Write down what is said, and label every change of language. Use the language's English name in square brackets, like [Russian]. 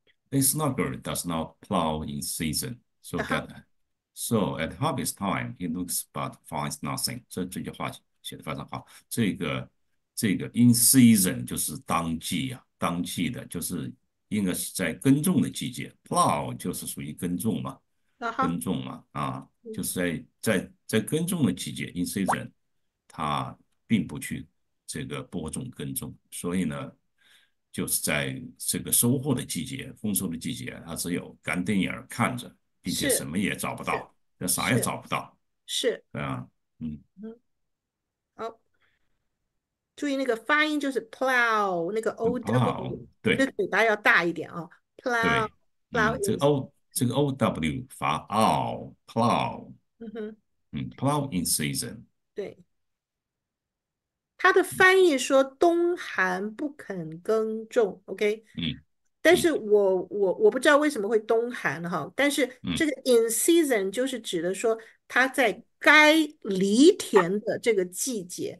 [English] ，This sluggard does not plow in season, so at harvest time he looks but finds nothing。 [Chinese] 这句话写得非常好。这个 [English] in season [Chinese] 就是当季啊，当季的，就是应该是在耕种的季节。 plow 就是属于耕种嘛，耕种嘛，啊，就是在耕种的季节 [English] in season， [Chinese] 他并不去。这个播种耕种，所以呢，就是在这个收获的季节、丰收的季节，他只有干瞪眼看着，并且什么也找不到，那啥也找不到，对啊，嗯。注意那个发音就是 plow，那个 ow， [English] Plow， [Chinese] 那对，嘴巴要大一点哦。对， [English] plow 嗯， is， [Chinese] 这个 OW 发 ow，plow，嗯， [English] plow in season。 [Chinese] 对，它的翻译说冬寒不肯耕种，OK。但是我不知道为什么会冬寒哈，但是这个 [English] in season [Chinese] 就是指的说它在该犁田的这个季节。